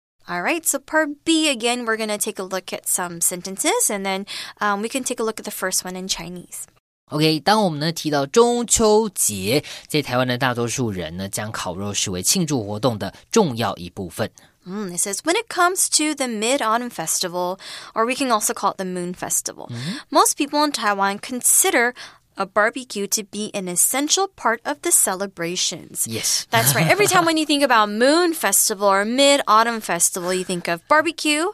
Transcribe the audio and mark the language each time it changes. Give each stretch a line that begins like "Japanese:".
English: All right, so part B again, we're going to take a look at some sentences and then we can take a look at the first one in Chinese.
Chinese: OK, 当我们呢提到中秋节，在台湾的大多数人呢将烤肉视为庆祝活动的重要一部分。
English: It says, when it comes to the Mid-Autumn Festival, or we can also call it the Moon Festival,、 mm-hmm. most people in Taiwan consider... a barbecue to be an essential part of the celebrations. Yes. That's right. Every time when you think about Moon Festival or Mid-Autumn Festival, you think of barbecue.